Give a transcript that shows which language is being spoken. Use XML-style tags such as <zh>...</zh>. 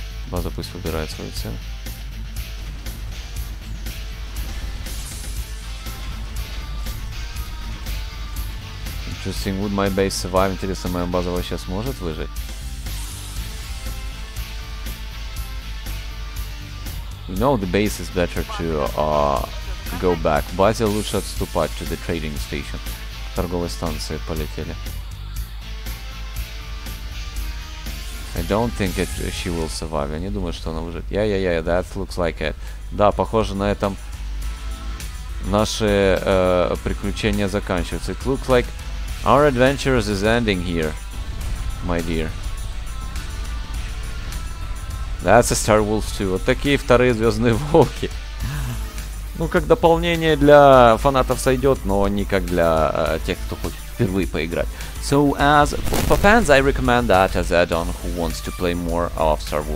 <ru>База пусть выбирает свою цель.</ru> <en>Interesting. Would my base survive?</en> <ru>Интересно, моя база вообще сможет выжить?</ru> <en>You know, the base is better to go back.</en> <ru>Базе лучше отступать</ru> <en>to the trading station.</en> <ru>К торговой станции полетели.</ru> <en>I don't think it, she will survive.</en> <ru>Я не думаю, что она выживет.</ru> <en>Yeah, that looks like it.</en> <ru>Да, похоже, на этом наши приключения заканчиваются.</ru> <en>It looks like our adventure is ending here, my dear. That's a Star Wars 2.</en> <ru>Вот такие вторые Звездные Волки. Ну, как дополнение для фанатов сойдет, но не как для тех, кто хочет впервые поиграть.</ru> <en>So, as for fans, I recommend that as add-on who wants to play more of Star Wars.</en>